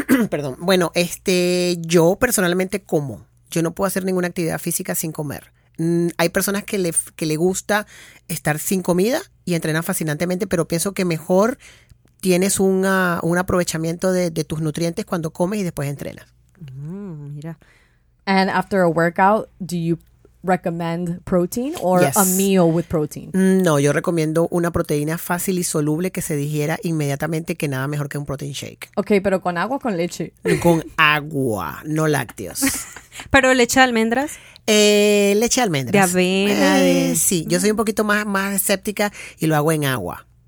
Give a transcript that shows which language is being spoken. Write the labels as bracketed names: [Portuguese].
[Spanish] Perdón. Bueno, yo personalmente como. Yo no puedo hacer ninguna actividad física sin comer. Hay personas que le gusta estar sin comida y entrenar fascinantemente, pero pienso que mejor tienes un aprovechamiento de tus nutrientes cuando comes y después entrenas. Mira. [English] And after a workout, do you recommend protein or a meal with protein? [Spanish] No, yo recomiendo una proteína fácil y soluble que se digiera inmediatamente, que nada mejor que un protein shake. Okay, pero ¿con agua o con leche? Con agua, no lácteos. ¿Pero leche de almendras? Leche de almendras. ¿De avena? Sí, yo soy un poquito más escéptica y lo hago en agua.